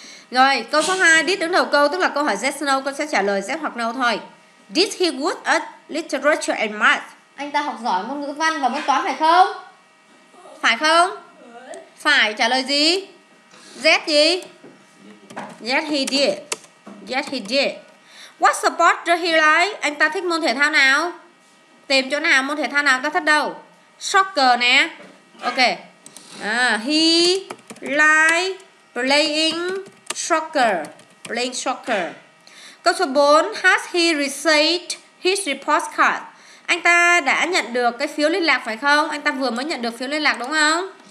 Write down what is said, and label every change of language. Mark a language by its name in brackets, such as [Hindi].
[Vietnamese] Rồi, câu số 2, did đứng đầu câu, tức là câu hỏi yes no, con sẽ trả lời yes hoặc no thôi. [English] Did he good at literature and math? [Vietnamese] Anh ta học giỏi môn ngữ văn và môn toán phải không? Phải không? Phải, trả lời gì? Yes gì? [English] Yes he did. Yes he did. What sport does he like? [Vietnamese] Anh ta thích môn thể thao nào? Tìm chỗ nào, môn thể thao nào anh ta thích đâu? [English] Soccer nè. Ok. He like playing soccer. Playing soccer. [Vietnamese] Câu số 4. [English] Has he received his report card? [Vietnamese] Anh ta đã nhận được cái phiếu liên lạc phải không? Anh ta vừa mới nhận được phiếu liên lạc đúng không?